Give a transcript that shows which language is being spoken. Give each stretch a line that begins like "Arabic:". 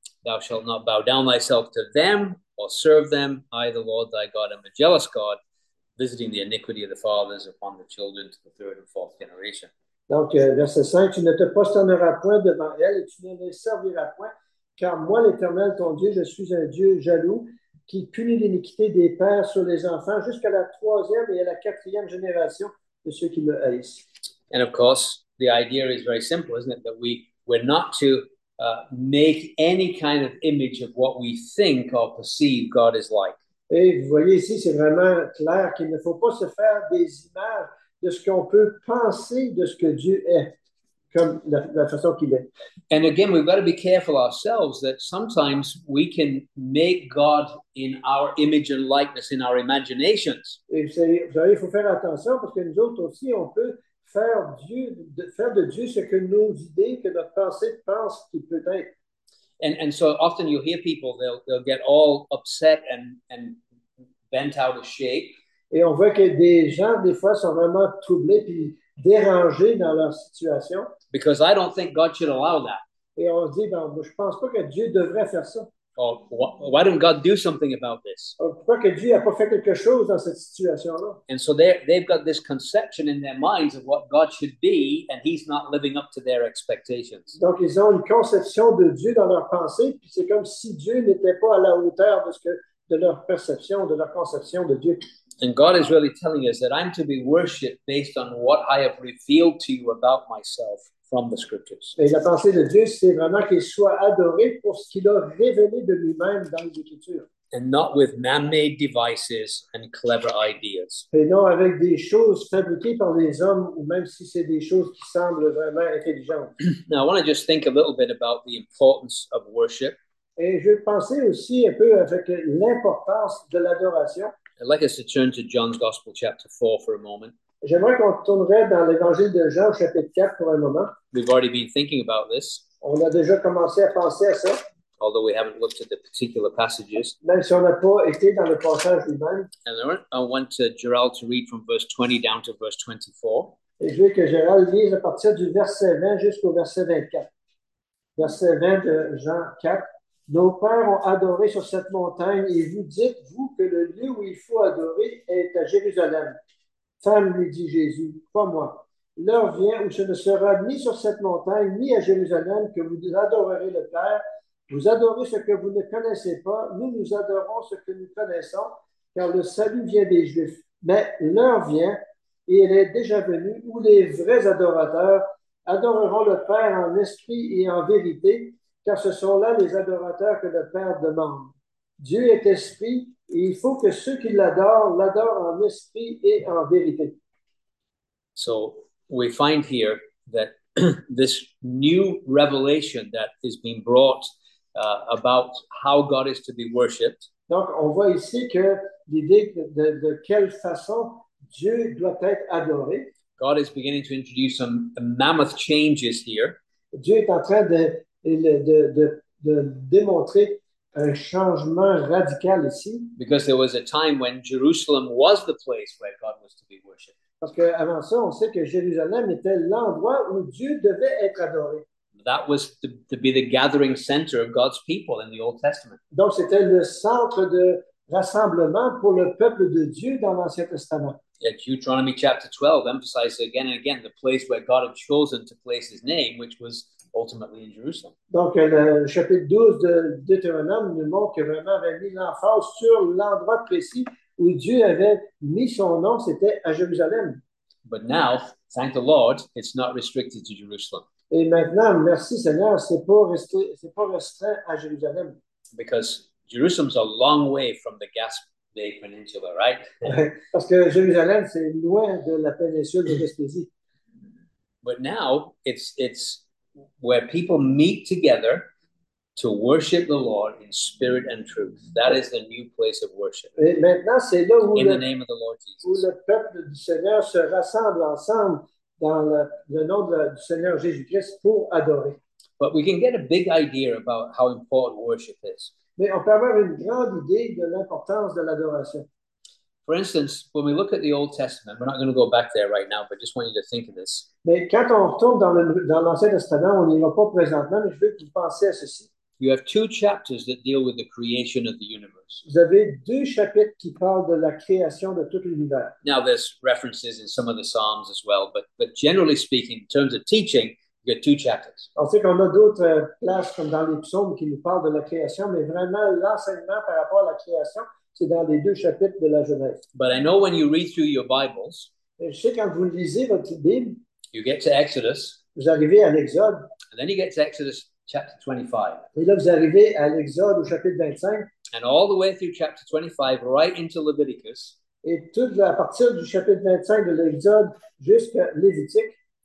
English: thou shalt not bow down thyself to them or serve them. I, the Lord thy God, am a jealous God, visiting the iniquity of the fathers upon the children to the third and fourth generation.
French: Donc, verset 5, tu ne te prosterneras point devant elle et tu ne les serviras point, car moi, l'Éternel, ton Dieu, je suis un Dieu jaloux qui punit l'iniquité des pères sur les enfants jusqu'à la troisième et à la quatrième génération de ceux qui me haïssent.
English: And of course, the idea is very simple, isn't it? That we're not to make any kind of image of what we think or perceive God is like.
French: Et vous voyez ici, c'est vraiment clair qu'il ne faut pas se faire des images de ce qu'on peut penser de ce que Dieu est, comme la façon qu'il est.
English: And again, we've got to be careful ourselves that sometimes we can make God in our image and likeness, in our imaginations.
French: Et vous savez, il faut faire attention parce que nous autres aussi, on peut faire de Dieu ce que nos idées, que notre pensée pense qu'il peut être.
English: And so often you hear people, they'll get all upset and bent out of shape.
French: Et on voit que des gens, des fois, sont vraiment troublés puis dérangés dans leur situation.
English: Because I don't think God should allow that.
French: Et on se dit, ben, je ne pense pas que Dieu devrait faire ça.
English: Or, why didn't God do something about this?
French: Pourquoi que Dieu n'a pas fait quelque chose dans cette situation-là?
English: And so they've got this conception in their minds of what God should be, and he's not living up to their expectations.
French: Donc, ils ont une conception de Dieu dans leur pensée, puis c'est comme si Dieu n'était pas à la hauteur de leur perception, de leur conception de Dieu.
English: And God is really telling us that I'm to be worshipped based on what I have revealed to you about myself from the scriptures.
French: Et la pensée de Dieu, c'est vraiment qu'il soit adoré pour ce qu'il a révélé de lui-même dans les Écritures.
English: And not with man-made devices and clever ideas.
French: Et non avec des choses fabriquées par les hommes, ou même si c'est des choses qui semblent vraiment intelligentes.
English: Now, I want to just think a little bit about the importance of worship.
French: Et je vais penser aussi un peu avec l'importance de l'adoration.
English: I'd like us to turn to John's Gospel chapter 4 for a moment.
French: J'aimerais qu'on tournerait dans l'Évangile de Jean, chapitre 4, pour un moment.
English: We've already been thinking about this.
French: On a déjà commencé à penser à ça.
English: Although we haven't looked at the particular passages.
French: Même si on n'a pas été dans le passage lui-même.
English: And I want to Gerald to read from verse 20 down to verse 24.
French: Et je veux que Gerald lise à partir du verset 20 jusqu'au verset 24. Verset 20 de Jean 4. Nos pères ont adoré sur cette montagne, et vous dites-vous que le lieu où il faut adorer est à Jérusalem. Femme, lui dit Jésus, crois-moi, l'heure vient où ce ne sera ni sur cette montagne, ni à Jérusalem, que vous adorerez le Père. Vous adorez ce que vous ne connaissez pas, nous adorons ce que nous connaissons, car le salut vient des Juifs. Mais l'heure vient, et elle est déjà venue, où les vrais adorateurs adoreront le Père en esprit et en vérité, car ce sont là les adorateurs que le Père demande. Dieu est esprit, et il faut que ceux qui l'adorent l'adorent en esprit et en vérité.
English: So we find here that this new revelation that is being brought about how God is to be worshipped.
French: Donc on voit ici que l'idée de quelle façon Dieu doit être adoré.
English: God is beginning to introduce some mammoth changes here.
French: Dieu est en train de démontrer un changement radical ici.
English: Because there was a time when Jerusalem was the place where God was to be worshipped.
French: Parce que avant ça, on sait que Jérusalem était l'endroit où Dieu devait être adoré.
English: That was to be the gathering center of God's people in the Old Testament.
French: Donc c'était le centre de rassemblement pour le peuple de Dieu dans l'Ancien Testament.
English: Yet Deuteronomy chapter 12 emphasizes again and again the place where God had chosen to place his name, which was ultimately in Jerusalem.
French: Donc, le chapitre 12 de Deutéronome nous montre que vraiment avait mis l'emphase sur l'endroit précis où Dieu avait mis son nom, c'était à Jérusalem.
English: But now, thank the Lord, it's not restricted to Jerusalem.
French: Et maintenant, merci Seigneur, c'est pas restreint à Jérusalem.
English: Because Jerusalem's a long way from the Gaspé Peninsula, right?
French: Parce que Jérusalem, c'est loin de la péninsule de Gaspésie.
English: But now, it's where people meet together to worship the Lord in spirit and truth. That is the new place of worship.
French: Et maintenant, c'est là où
English: in
French: le,
English: the name of the Lord Jesus.
French: Où le peuple du Seigneur se rassemble ensemble dans le nom du Seigneur Jésus-Christ pour adorer.
English: But we can get a big idea about how important worship is.
French: Mais on peut avoir une grande idée de l'importance de l'adoration.
English: For instance, when we look at the Old Testament, we're not going to go back there right now, but I just want you to think of this.
French: Mais quand on retourne dans l'Ancien Testament, on n'y va pas présentement, mais je veux que vous pensiez à ceci.
English: You have two chapters that deal with the creation of the universe.
French: Vous avez deux chapitres qui parlent de la création de tout l'univers.
English: Now there's references in some of the Psalms as well, but generally speaking, in terms of teaching, you get two chapters.
French: On sait qu'on a d'autres places comme dans les psaumes qui nous parlent de la création, mais vraiment l'enseignement par rapport à la création, c'est dans les deux chapitres de la Genèse.
English: But I know when you read through your Bibles,
French: et je sais quand vous lisez votre Bible,
English: you get to Exodus,
French: vous arrivez à l'Exode,
English: and then you get to Exodus chapter 25.
French: Et là, vous arrivez à l'Exode au chapitre 25.
English: And all the way through chapter 25, right into Leviticus.
French: Et tout à partir du chapitre 25 de l'Exode jusqu'à Lévitique.